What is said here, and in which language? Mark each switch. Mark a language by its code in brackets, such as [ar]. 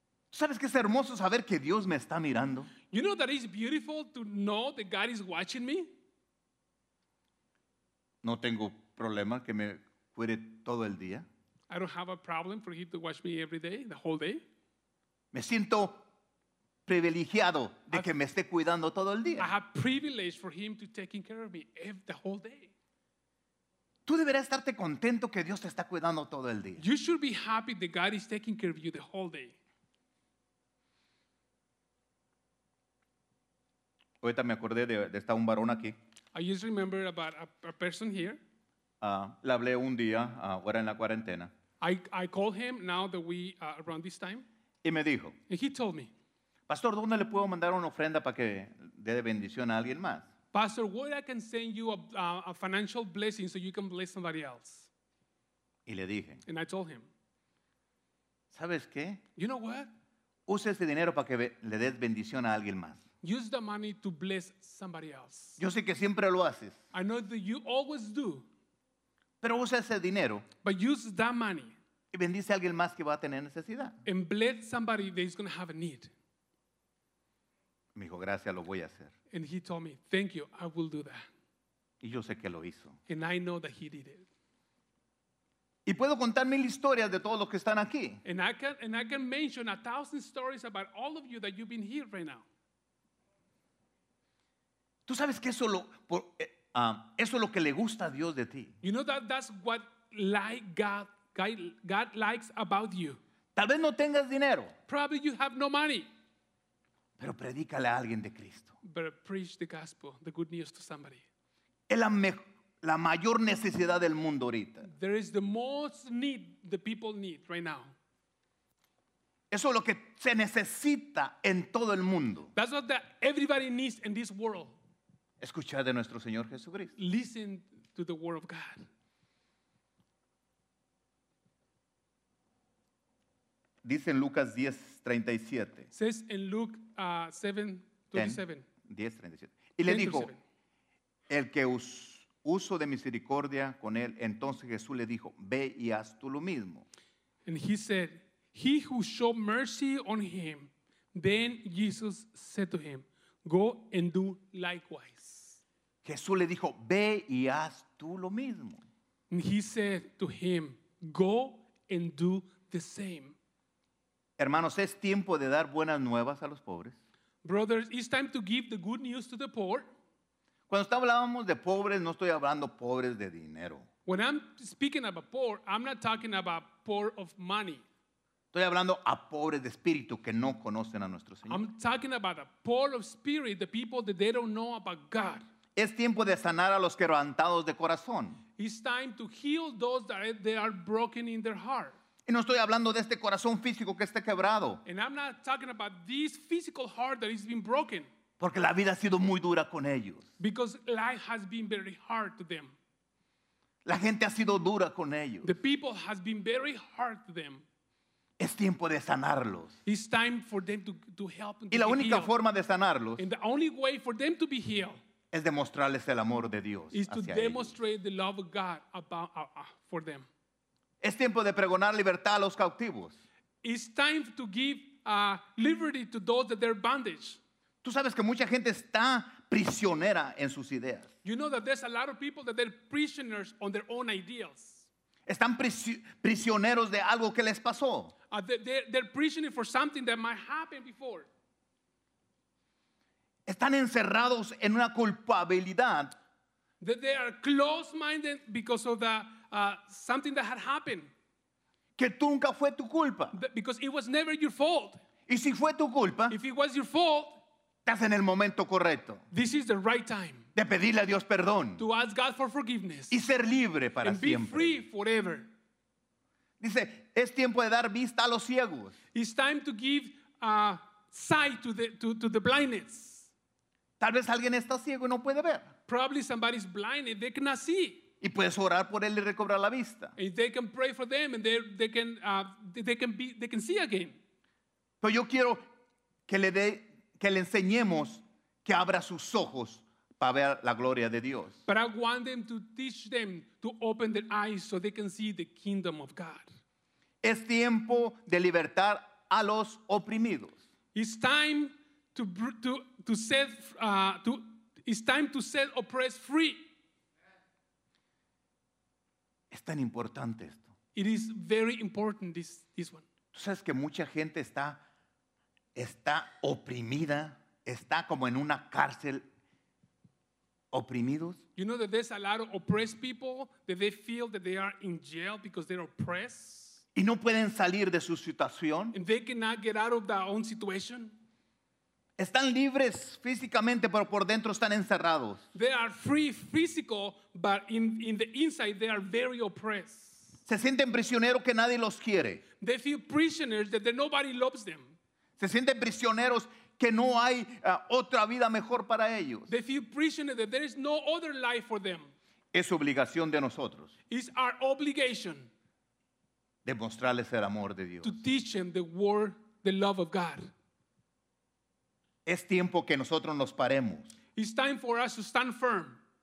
[es] ¿Sabes que es hermoso saber que Dios me está mirando? [en] You know that it's beautiful to know that God is watching me? [es] No tengo problema que me cuide todo el día. [en] I don't have a problem for him to watch me every day, the whole day. [es] Me siento privilegiado de que me esté cuidando todo el día. [en] I have privilege for him to take care of me every, the whole day. [es] Tú deberías estarte contento que Dios te está cuidando todo el día. [en] You should be happy that God is taking care of you the whole day. [es] Ahorita me acordé de estar un varón aquí. [en] I just remember about a person here. [es] Le hablé un día, era en la cuarentena. [en] I called him now that we around this time. [es] Y me dijo. [en] And he told me. [es] Pastor, ¿dónde le puedo mandar una ofrenda para que dé bendición a alguien más? [en] Pastor, where I can send you a financial blessing so you can bless somebody else? [es] Y le dije. [en] And I told him. [es] ¿Sabes qué? [en] You know what? [es] Use ese dinero para que le des bendición a alguien más. [en] Use the money to bless somebody else. [es] Yo sé que siempre lo haces. [en] I know that you always do. [es] Pero usa ese dinero. [en] But use that money. [es] Y bendice a alguien más que va a tener necesidad. [en] And bless somebody that is going to have a need. [es] Me dijo, gracias, lo voy a hacer. [en] And he told me, thank you, I will do that. [es] Y yo sé que lo hizo. [en] And I know that he did it. [es] Y puedo contar mil historias de todos los que están aquí. [en] And I can mention 1,000 stories about all of you that you've been here right now. [es] Tú sabes que eso lo por, eso es lo que le gusta a Dios de ti. [en] You know that that's what like God likes about you. [es] Tal vez no tengas dinero. [en] Probably you have no money. [es] Pero predícale a alguien de Cristo. [en] But preach the gospel, the good news to somebody. [es] Es la mejor, la mayor necesidad del mundo ahorita. [en] There is the most need the people need right now. [es] Eso es lo que se necesita en todo el mundo. [en] That's what that everybody needs in this world. [es] Escuchar de nuestro Señor Jesucristo. [en] Listen to the word of God. [es] Dice en Lucas 10:37. [en] Says in Luke 7:37. [es] 10:37. Y le dijo, el que uso de misericordia con él, entonces Jesús le dijo, ve y haz tú lo mismo. [en] And he said, he who showed mercy on him, then Jesus said to him, go and do likewise. [es] Jesús le dijo, ve y haz tú lo mismo. [en] And he said to him, go and do the same. [es] Hermanos, es tiempo de dar buenas nuevas a los pobres. [en] Brothers, it's time to give the good news to the poor. [es] Cuando hablábamos de pobres, no estoy hablando pobres de dinero. [en] When I'm speaking about poor, I'm not talking about poor of money. [es] Estoy hablando a pobres de espíritu que no conocen a nuestro Señor. [en] I'm talking about a poor of spirit, the people that they don't know about God. [es] Es tiempo de sanar a los quebrantados de corazón. [en] It's time to heal those that they are broken in their heart. [es] Y no estoy hablando de este corazón físico que está quebrado. [en] And I'm not talking about this physical heart that has been broken. [es] Porque la vida ha sido muy dura con ellos. [en] Because life has been very hard to them. [es] La gente ha sido dura con ellos. [en] The people has been very hard to them. [es] Es tiempo de sanarlos. [en] It's time for them to help and [es] y la única forma de sanarlos. [en] And the only way for them to be healed. [es] Es demostrarles el amor de Dios hacia ellos. [en] Is to demonstrate the love of God about for them. [es] Es tiempo de pregonar libertad a los cautivos. [en] It's time to give liberty to those that they're bondage. [es] Tú sabes que mucha gente está prisionera en sus ideas. [en] You know that there's a lot of people that they're prisoners on their own ideas. [es] Están prisioneros de algo que les pasó. [en] They're prisoners for something that might happen before. [es] Están encerrados en una culpabilidad. [en] That they are closed-minded because of the something that had happened. [es] Que nunca fue tu culpa. [en] Because it was never your fault. [es] Y si fue tu culpa. [en] If it was your fault. [es] Estás en el momento correcto. [en] This is the right time. [es] De pedirle a Dios perdón. [en] To ask God for forgiveness. [es] Y ser libre para [en] and [es] siempre. [en] And be free forever. [es] Dice, es tiempo de dar vista a los ciegos. [en] It's time to give sight to the blindness. [es] Tal vez alguien está ciego y no puede ver. [en] Probably somebody's blind and they cannot see. [es] Y puedes orar por él y recobrar la vista. [en] And they can pray for them and they can see again. [es] Pero yo quiero que le dé que le enseñemos que abra sus ojos para ver la gloria de Dios. [en] But I want them to teach them to open their eyes so they can see the kingdom of God. [es] Es tiempo de libertar a los oprimidos. [en] It's time to set oppressed free. [es] Es tan importante esto. [en] It is very important this one. [es] Tú sabes que mucha gente está oprimida, está como en una cárcel, oprimidos. [en] You know that there's a lot of oppressed people that they feel that they are in jail because they're oppressed. [es] Y no pueden salir de su situación. [en] And they cannot get out of their own situation. [es] Están libres físicamente, pero por dentro están encerrados. [en] They are free physical, but in the inside they are very oppressed. [es] Se sienten prisioneros que nadie los quiere. [en] They feel prisoners that nobody loves them. [es] Se sienten prisioneros que no hay otra vida mejor para ellos. [en] They feel prisoners that there is no other life for them. [es] Es obligación de nosotros. [en] It's our obligation. [es] Demostrarles el amor de Dios. [en] To teach them the word, the love of God. [es] Es tiempo que nosotros nos paremos. [en] It's time for us to stand firm.